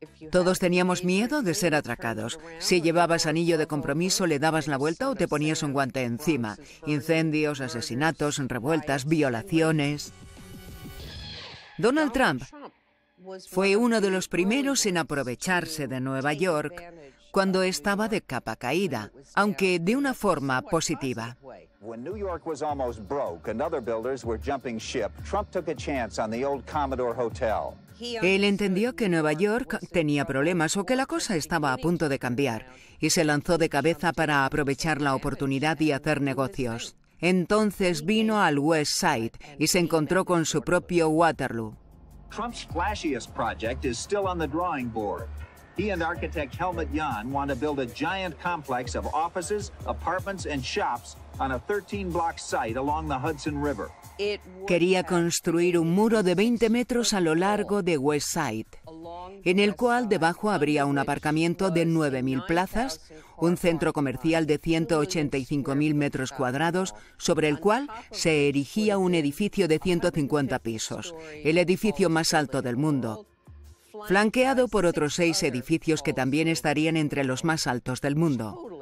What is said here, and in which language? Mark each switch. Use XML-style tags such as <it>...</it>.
<es>Todos teníamos miedo de ser atracados. Si llevabas anillo de compromiso, le dabas la vuelta o te ponías un guante encima. Incendios, asesinatos, revueltas, violaciones. Donald Trump fue uno de los primeros en aprovecharse de Nueva York cuando estaba de capa caída, aunque de una forma positiva.</es> <en>When New York was almost broke and other builders were jumping ship, Trump took a chance on the old Commodore Hotel.</en> <es>Él entendió que Nueva York tenía problemas o que la cosa estaba a punto de cambiar y se lanzó de cabeza para aprovechar la oportunidad y hacer negocios. Entonces vino al West Side y se encontró con su propio Waterloo.</es> <en>Trump's flashiest project is still on the drawing board. He and architect Helmut Jahn want to build a giant complex of offices, apartments and shops on a 13-block site along the Hudson River.</en> <es>Quería construir un muro de 20 metros a lo largo de West Side, en el cual debajo habría un aparcamiento de 9.000 plazas, un centro comercial de 185.000 metros cuadrados, sobre el cual se erigía un edificio de 150 pisos, el edificio más alto del mundo, flanqueado por otros 6 edificios que también estarían entre los más altos del mundo.</es>